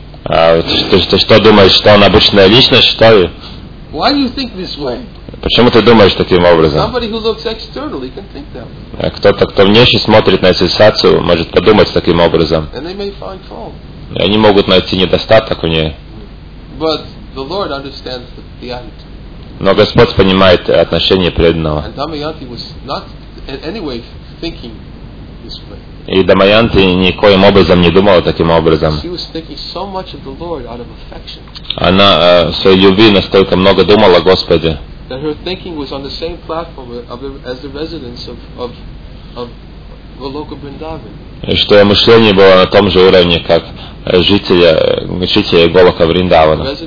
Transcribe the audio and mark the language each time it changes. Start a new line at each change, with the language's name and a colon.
Russian: Что думаешь, что он обычная личность, что ли?
English: Why do you think this way?
Russian: Почему ты думаешь таким образом?
English: Somebody who looks externally can think that way.
Russian: Кто-то, кто внешне смотрит на ситуацию, может подумать таким образом.
English: And they may find fault.
Russian: И они могут найти недостаток в ней.
English: But the Lord understands the attitude.
Russian: Но Господь понимает отношение преданного.
English: And Damayanti was not in any way thinking this way.
Russian: И Дамаянти никоим образом не думала таким образом.
English: So Lord,
Russian: она своей любви настолько много думала о Господе, что ее мышление было на том же уровне, как жители Голока Вриндавана.